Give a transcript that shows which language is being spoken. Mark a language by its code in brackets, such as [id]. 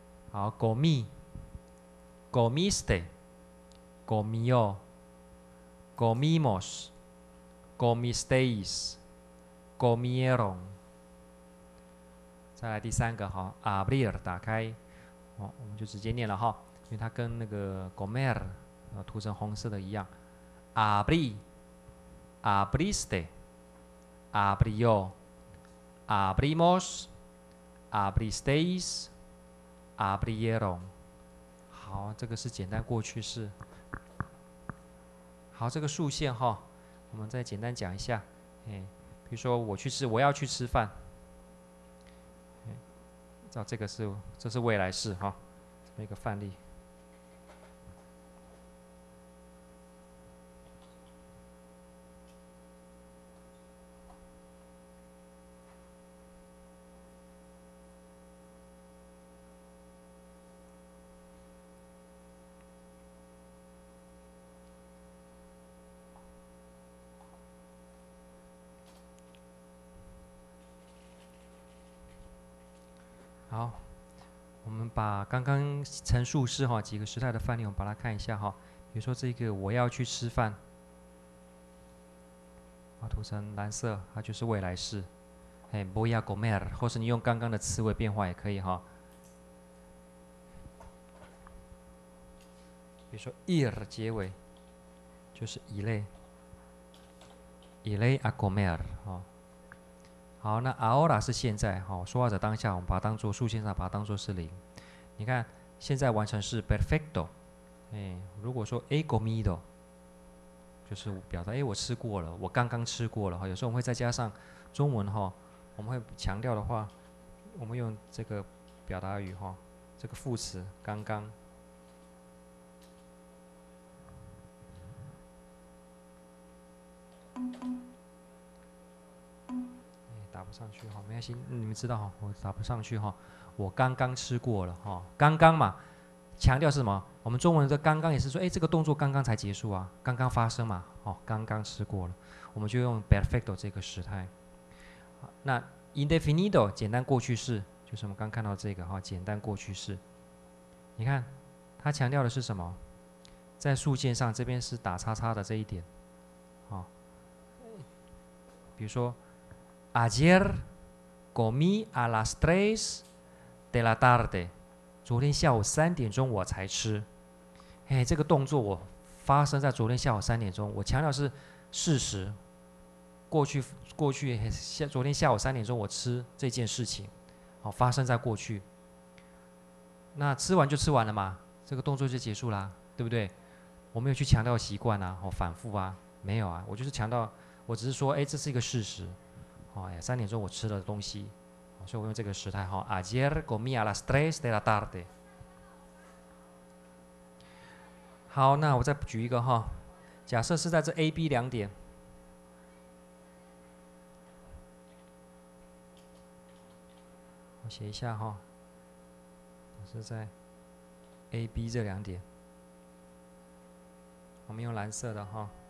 [es] 好 ，comí， comiste， comió， comimos， comisteis， comieron。 [zh] 再来第三个哈 ，abrir 打开，好、哦，我们就直接念了哈。因为它跟那个 Gomer 涂成红色的一样 [es] Abrí Abriste Abrió Abrimos Abristeis Abrieron。 [zh] 好，这个是简单过去式。好，这个竖线哈，我们再简单讲一下、哎、比如说我去吃，我要去吃饭、哎、这个是，这是未来式哈，这么一个范例。好，我们把刚刚陈述式几个时态的范例我们把它看一下哈。比如说这个我要去吃饭，涂成蓝色它就是未来式，哎 [es] voy a comer， [zh] 或是你用刚刚的词尾变化也可以哈。比如说 ir 结尾就是 [es] iré a comer。 [zh] 好，那 ahora 是现在，好，说话者当下，我们把它当做数线上，把它当做是零。你看，现在完成是 perfecto、欸。如果说 [es] he comido， [zh] 就是表达，哎，我吃过了，我刚刚吃过了哈。有时候我们会再加上中文哈，我们会强调的话，我们用这个表达语哈，这个副词刚刚。打不上去哈，没关系，你们知道哈，我打不上去哈，我刚刚吃过了哈，刚刚嘛，强调是什么？我们中文的刚刚也是说，哎，这个动作刚刚才结束啊，刚刚发生嘛，哦，刚刚吃过了，我们就用 perfecto 这个时态。那 indefinido 简单过去式，就是我们刚看到这个哈，简单过去式。你看，它强调的是什么？在数件上，这边是打叉叉的这一点，哦，比如说。 [es] Ayer comí a las tres de la tarde. [zh] 昨天下午三点钟我才吃。哎，这个动作我发生在昨天下午三点钟。我强调是事实，过去昨天下午三点钟我吃这件事情，好，发生在过去。那吃完就吃完了嘛，这个动作就结束啦，对不对？我没有去强调习惯啊，我反复啊，没有啊，我就是强调，我只是说，哎，这是一个事实。哎呀，三点钟我吃了东西，所以我用这个时态哈。 [es] Ayer comí a las tres de la tarde。 [zh] 好，那我再举一个哈，假设是在这 A、B 两点，我写一下哈，是在 A、B 这两点，我们用蓝色的哈。